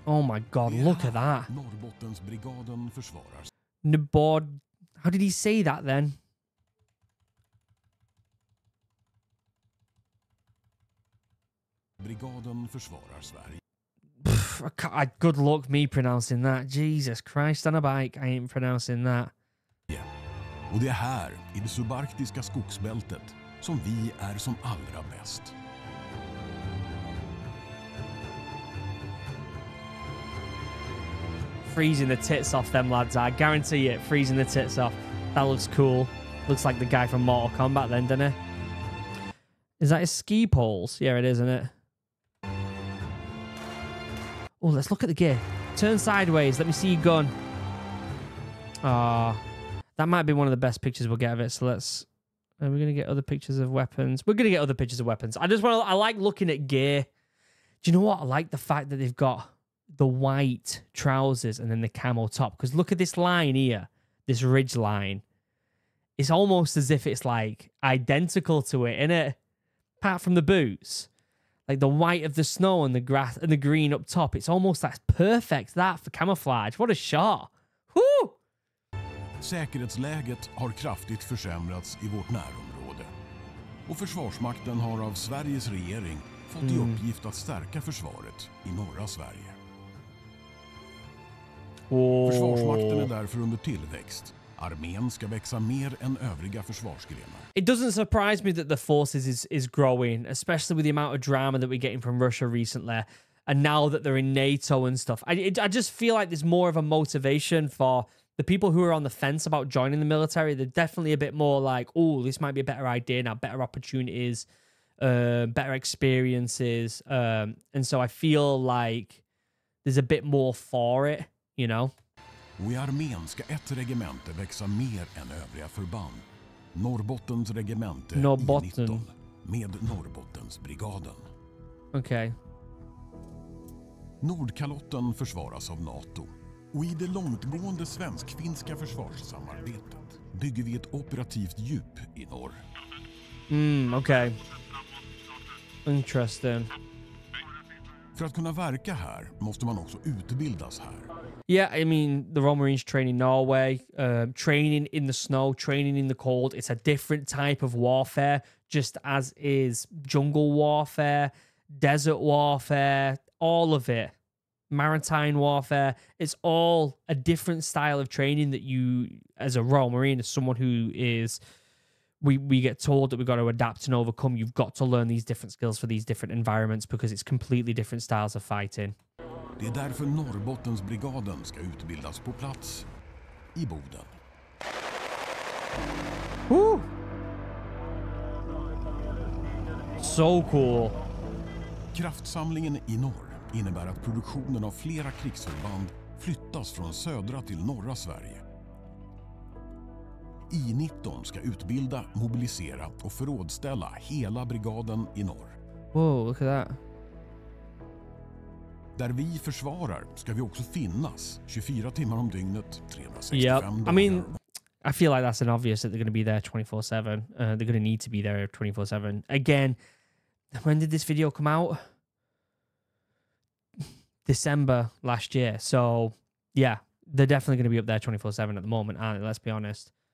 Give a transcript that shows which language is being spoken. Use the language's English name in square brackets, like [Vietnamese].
[English] Oh my god, look at that. [Swedish] Norrbottensbrigaden försvarar. [English] How did he say that then? [Swedish] Brigaden försvarar Sverige. [English] Good luck me pronouncing that. Jesus Christ on a bike, I ain't pronouncing that. Yeah. [Swedish] Och det är här i det subarktiska skogsbältet som vi är som allra bäst. [English] Freezing the tits off them lads, I guarantee it. Freezing the tits off. That looks cool. Looks like the guy from Mortal Kombat then, doesn't it? Is that his ski poles? Yeah, it is, isn't it? Oh, let's look at the gear. Turn sideways. Let me see your gun. Ah, that might be one of the best pictures we'll get of it, so let's... Are we going to get other pictures of weapons? We're going to get other pictures of weapons. I just want to... I like looking at gear. Do you know what? I like the fact that they've got the white trousers and then the camo top. Because look at this line here. This ridge line. It's almost as if it's like identical to it, isn't it? Apart from the boots. Like the white of the snow and the grass and the green up top. It's almost like perfect that for camouflage. What a shot. Woo! [Swedish] Säkerhetsläget har kraftigt försämrats i vårt närområde. Och Försvarsmakten har av Sveriges regering fått i uppgift att stärka försvaret i norra Sverige. Oh. Försvarsmakten är därför under tillväxt. Armén ska växa mer än övriga försvarsgrenar. [English] It doesn't surprise me that the forces is growing, especially with the amount of drama that we're getting from Russia recently. And now that they're in NATO and stuff, I just feel like there's more of a motivation for the people who are on the fence about joining the military. They're definitely a bit more like, oh, this might be a better idea now, better opportunities, better experiences. And so I feel like there's a bit more for it, you know? [Swedish] Och i armén ska ett regemente växa mer än övriga förband. Norrbottens regemente Norrbotten. Med Norrbottensbrigaden. Okej. Okay. Nordkalotten försvaras av NATO. Och i det långtgående svensk-finska försvarssamarbetet bygger vi ett operativt djup i norr. [English] Okej. Okay. Interesting. [Swedish] För att kunna verka här måste man också utbildas här. [English] Yeah, I mean, the Royal Marines train in Norway, training in the snow, training in the cold. It's a different type of warfare, just as is jungle warfare, desert warfare, all of it. Maritime warfare. It's all a different style of training that you, as a Royal Marine, as someone who is, we get told that we've got to adapt and overcome. You've got to learn these different skills for these different environments because it's completely different styles of fighting. [Swedish] Det är därför Norrbottensbrigaden ska utbildas på plats i Boden. Woo! [English] So cool. [Swedish] Kraftsamlingen i norr innebär att produktionen av flera krigsförband flyttas från södra till norra Sverige. I-19 ska utbilda, mobilisera och förrådställa hela brigaden i norr. [English] Wow, look at that. [Swedish] Där vi försvarar ska vi också finnas 24 timmar om dygnet, 365 dagar. [English] I mean, I feel like that's an obvious that they're going to be there 24/7. They're going to need to be there 24/7. Again, when did this video come out? December last year. So, yeah, they're definitely going to be up there 24/7 at the moment, aren't they? Let's be honest.